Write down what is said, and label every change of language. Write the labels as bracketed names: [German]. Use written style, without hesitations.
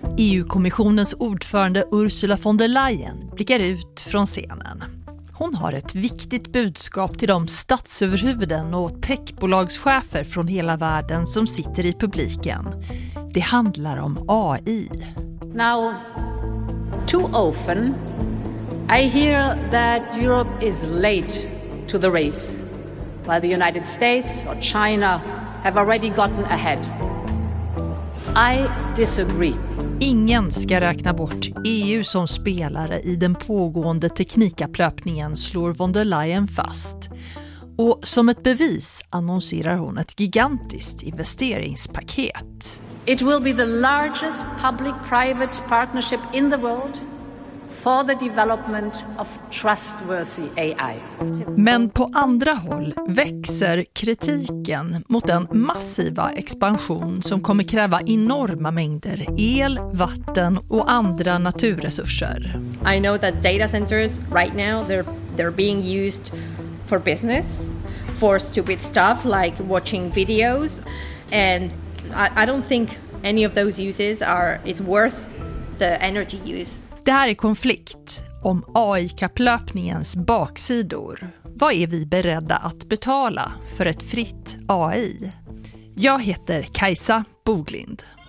[Swedish] EU-kommissionens ordförande Ursula von der Leyen blickar ut från scenen. Hon har ett viktigt budskap till de statsöverhuvuden och techbolagschefer från hela världen som sitter i publiken. Det handlar om AI. [English] Now, too often I hear that Europe is late to the race, while the United States or China have already gotten ahead. I disagree. [Swedish] Ingen ska räkna bort EU som spelare i den pågående teknikapplöpningen, slår von der Leyen fast. Och som ett bevis annonserar hon ett gigantiskt investeringspaket. [English] It will be the largest public-private partnership in the world for the development of trustworthy AI. [Swedish] Men på andra håll växer kritiken mot den massiva expansion som kommer kräva enorma mängder el, vatten och andra naturresurser. [English] I know that data centers right now they're being used for business, for stupid stuff like watching videos, and I don't think any of those uses is worth the energy use. [Swedish] Det här är konflikt om AI-kapplöpningens baksidor. Vad är vi beredda att betala för ett fritt AI? Jag heter Kajsa Boglind.